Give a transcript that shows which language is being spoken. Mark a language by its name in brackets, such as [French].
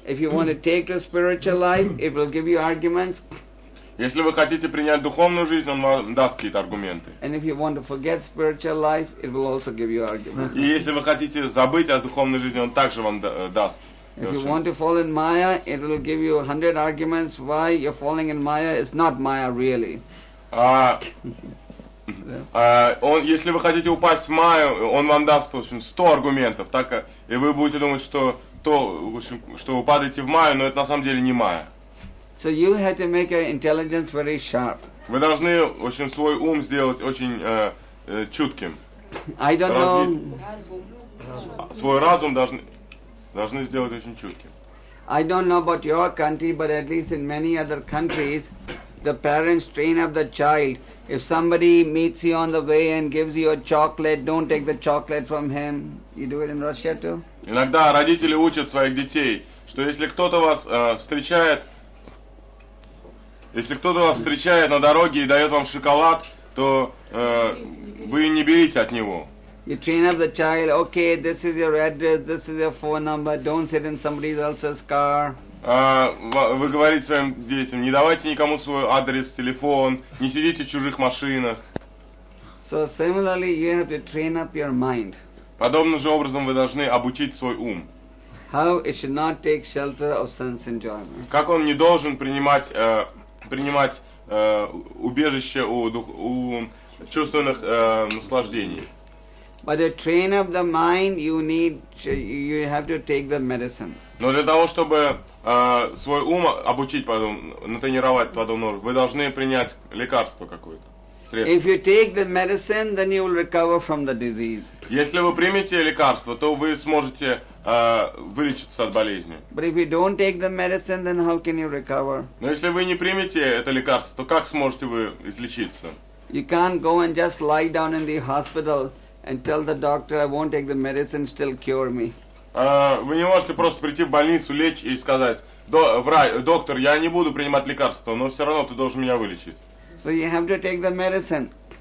[English] If you want to take a spiritual life, it will give you arguments. [Russian] Если вы хотите принять духовную жизнь, он вам даст какие-то аргументы. [English] And if you want to forget spiritual life, it will also give you arguments. [Russian] И если вы хотите забыть о духовной жизни, он также вам даст. [English] If you want to fall in Maya, it will give you 100 arguments why you're falling in Maya. It's not Maya, really. [Russian] Если вы хотите упасть в Майю, он вам даст, в общем, 100 аргументов, так, и вы будете думать, что то, в общем, что вы падаете в Майю, но это на самом деле не Майя. [English] So you have to make your intelligence very sharp. [Russian] Вы должны, в общем, свой ум сделать очень чутким. [English] I don't know. [Russian] Свой разум должны сделать очень чутким. [English] I don't know about your country, but at least in many other countries, the parents train up the child. If somebody meets you on the way and gives you a chocolate, don't take the chocolate from him. You do it in Russia too? [Russian] Иногда родители учат своих детей, что если кто-то вас встречает на дороге и дает вам шоколад, то вы не берите от него. [English] You train up the child. Okay, this is your address, this is your phone number. Don't sit in somebody else's car. [Russian] Вы говорите своим детям: не давайте никому свой адрес, телефон, не сидите в чужих машинах. [English] So similarly, you have to train up your mind. [Russian] Подобным же образом вы должны обучить свой ум. [English] How it should not take shelter of sense enjoyment. [Russian] Как он не должен принимать убежище у чувственных наслаждений. [English] But to train up the mind, you have to take the medicine. [Russian] Но для того, чтобы свой ум обучить, потом натренировать подобно, вы должны принять лекарство какое-то, средство. [English] If you take the medicine, then you will recover from the disease. [Russian] Если вы примете лекарство, то вы сможете вылечиться от болезни. [English] But if you don't take the medicine, then how can you recover? [Russian] Но если вы не примете это лекарство, то как сможете вы излечиться? [English] You can't go and just lie down in the hospital and tell the doctor, "I won't take the medicine, still cure me." [Russian] Вы не можете просто прийти в больницу, лечь и сказать: доктор, я не буду принимать лекарства, но все равно ты должен меня вылечить. [English] So you have to take the medicine.